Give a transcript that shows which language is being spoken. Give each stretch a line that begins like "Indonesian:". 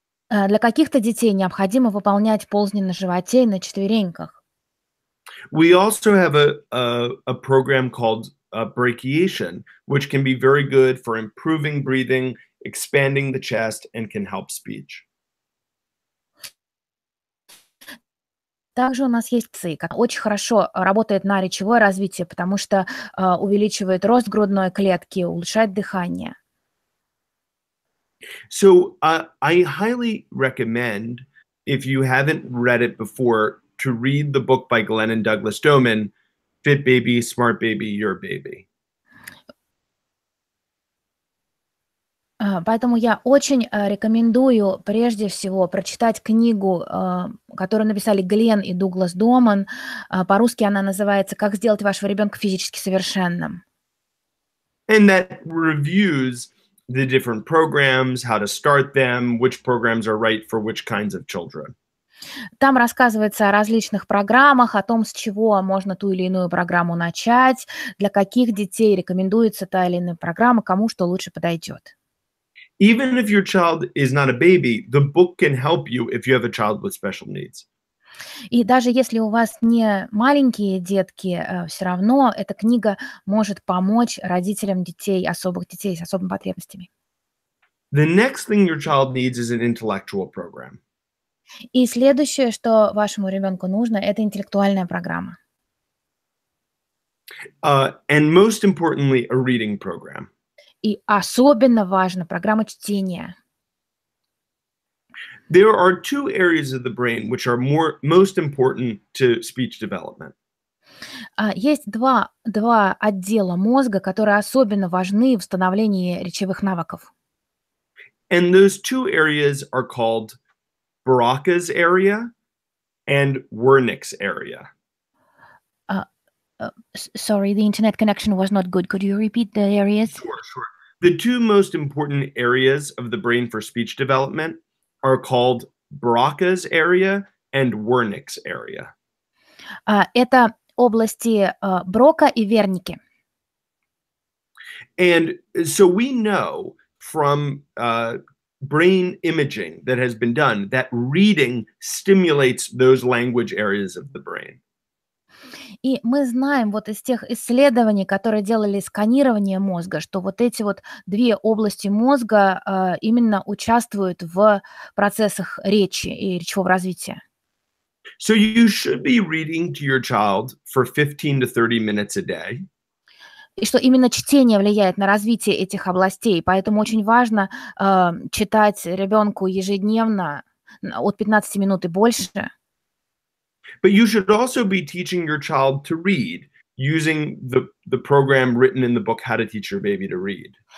Russian: Для каких-то детей необходимо выполнять ползание на животе и на четвереньках.
English: We also have a program called brachiation, which can be very good for improving breathing, expanding the chest, and can help speech.
Russian: Также у нас есть ЦИ, который очень хорошо работает на речевое развитие, потому что увеличивает рост грудной клетки, улучшает дыхание.
English: So I highly recommend, if you haven't read it before, to read the book by Glenn and Douglas Doman, Fit Baby, Smart Baby, Your Baby.
Russian: Поэтому я очень рекомендую прежде всего прочитать книгу, которую написали Глен и Дуглас Доман. По-русски она называется «Как сделать вашего ребенка физически совершенным».
English: And that reviews the different programs, how to start them, which programs are right for which kinds of children.
Russian: Там рассказывается о различных программах, о том, с чего можно ту или иную программу начать, для каких детей рекомендуется та или иная программа, кому что лучше подойдет.
English: Even if your child is not a baby, the book can help you if you have a child with special needs.
Russian: И даже если у вас не маленькие детки, все равно эта книга может помочь родителям детей, особых детей с особыми потребностями.
English: The next thing your child needs is an intellectual program.
Russian: И следующее, что вашему ребенку нужно, это интеллектуальная программа.
English: And most importantly, a reading program.
Russian: И особенно важна программа чтения.
English: There are two areas of the brain which are more most important to speech development.
Russian: Есть два отдела мозга, которые особенно важны в становлении речевых навыков.
English: And those two areas are called Broca's area and Wernicke's area. Sorry, the internet connection was not good. Could you repeat the areas? Sure. The two most important areas of the brain for speech development are called Broca's area and Wernicke's area.
Russian: Это области Брока и Вернике.
English: And so we know from brain imaging that has been done that reading stimulates those language areas of the brain.
Russian: И мы знаем вот из тех исследований, которые делали сканирование мозга, что вот эти вот две области мозга именно участвуют в процессах речи и речевого развития.
English: So you should be reading to your child for 15 to 30 minutes a day.
Russian: И что именно чтение влияет на развитие этих областей, поэтому очень важно читать ребенку ежедневно от 15 минут и больше.
English: But you should also be teaching your child to read using the program written in the book How to Teach Your Baby to Read.